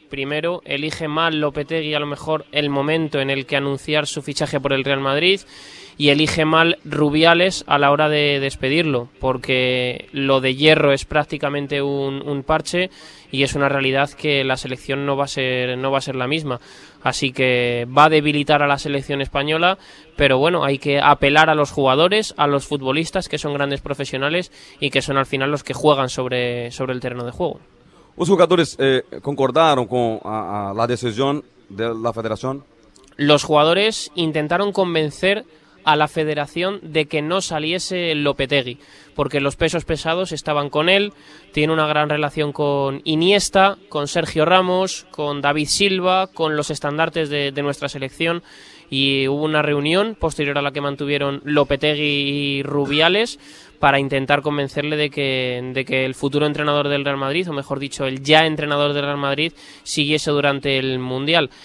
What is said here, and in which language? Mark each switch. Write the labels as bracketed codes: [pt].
[es] Primero, elige mal Lopetegui a lo mejor el momento en el que anunciar su fichaje por el Real Madrid, y elige mal Rubiales a la hora de despedirlo, porque lo de Hierro es prácticamente un parche y es una realidad que la selección no va a ser la misma. Así que va a debilitar a la selección española, pero bueno, hay que apelar a los jugadores, a los futbolistas, que son grandes profesionales y que son al final los que juegan sobre el terreno de juego. [pt] Os jogadores concordaram com a decisão da federação? Os jogadores intentaram [es] convencer a la federación de que no saliese Lopetegui, porque los pesos pesados estaban con él, tiene una gran relación con Iniesta, con Sergio Ramos, con David Silva, con los estandartes de nuestra selección, y hubo una reunión posterior a la que mantuvieron Lopetegui y Rubiales para intentar convencerle de que el futuro entrenador del Real Madrid, o mejor dicho, el ya entrenador del Real Madrid, siguiese durante el Mundial.